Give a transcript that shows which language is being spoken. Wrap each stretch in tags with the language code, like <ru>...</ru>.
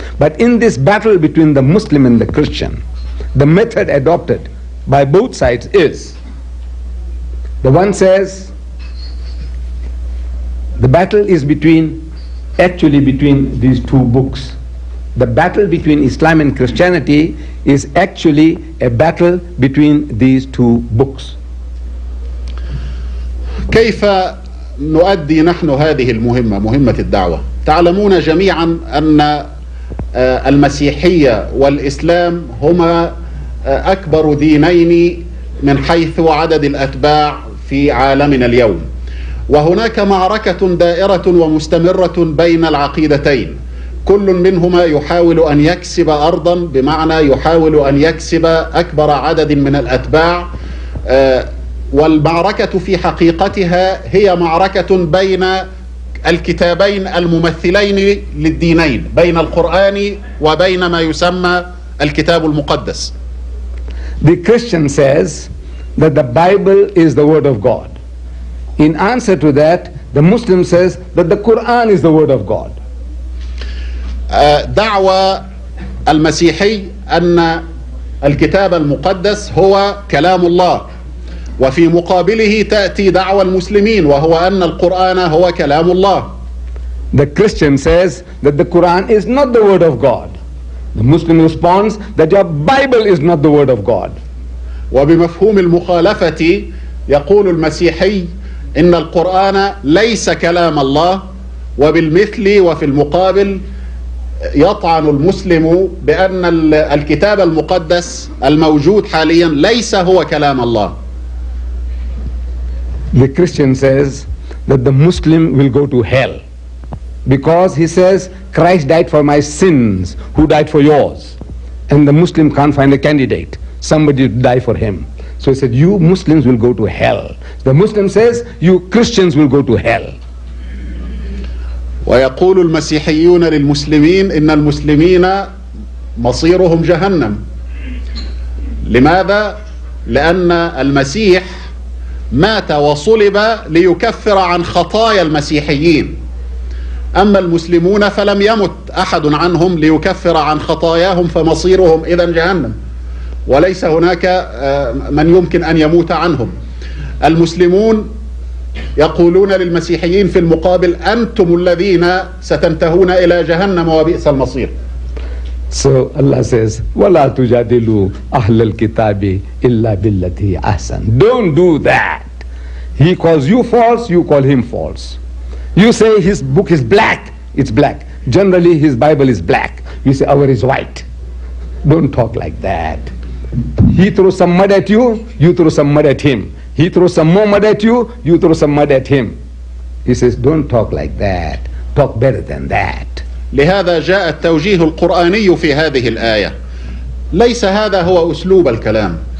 <en>But in this battle between the Muslim and the Christian, the method adopted by both sides is, the one says, the battle is between, actually between these two books. The battle between Islam and Christianity is actually a battle between these two books.</en> <ar>كيف نؤدي نحن هذه المهمة، مهمة الدعوة؟ تعلمون جميعا أن المسيحية والإسلام هما أكبر دينين من حيث عدد الأتباع في عالمنا اليوم، وهناك معركة دائرة ومستمرة بين العقيدتين، كل منهما يحاول أن يكسب أرضا، بمعنى يحاول أن يكسب أكبر عدد من الأتباع. والمعركة في حقيقتها هي معركة بين الكتابين الممثلين للدينين، بين القرآن وبين ما يسمى الكتاب المقدس.</ar> <en>The Christian says that the Bible is the word of God. In answer to that, the Muslim says that the Quran is the word of God.</en> <ar>دعوة المسيحي أن الكتاب المقدس هو كلام الله، وفي مقابله تأتي دعوى المسلمين وهو أن القرآن هو كلام الله.</ar> <en>The Christian says that the Quran is not the word of God. The Muslim responds that your Bible is not the word of God.</en> <ar>وبمفهوم المخالفة يقول المسيحي إن القرآن ليس كلام الله، وبالمثل وفي المقابل يطعن المسلم بأن الكتاب المقدس الموجود حاليا ليس هو كلام الله.</ar> <en>The Christian says that the Muslim will go to hell because he says Christ died for my sins, who died for yours? And the Muslim can't find a candidate, somebody to die for him. So he said, you Muslims will go to hell. The Muslim says, you Christians will go to hell.</en> <ar>ويقول المسيحيون للمسلمين إن المسلمين مصيرهم جهنم. لماذا؟ لأن المسيح مات وصلب ليكفر عن خطايا المسيحيين، أما المسلمون فلم يمت أحد عنهم ليكفر عن خطاياهم، فمصيرهم إذن جهنم، وليس هناك من يمكن أن يموت عنهم. المسلمون يقولون للمسيحيين في المقابل أنتم الذين ستنتهون إلى جهنم وبئس المصير.</ar> <en>So Allah says</en> <ar>ولا تجادلوا أهل الكتاب إلا بالتي أحسن.</ar> <en>Don't do that. He calls you false, you call him false. You say his book is black, it's black. Generally his Bible is black. You say our is white. Don't talk like that. He throws some mud at you, you throw some mud at him. He throws some more mud at you, you throw some mud at him. He says, don't talk like that. Talk better than that.</en> <ar>لهذا جاء التوجيه القرآني في هذه الآية. ليس هذا هو أسلوب الكلام.</ar>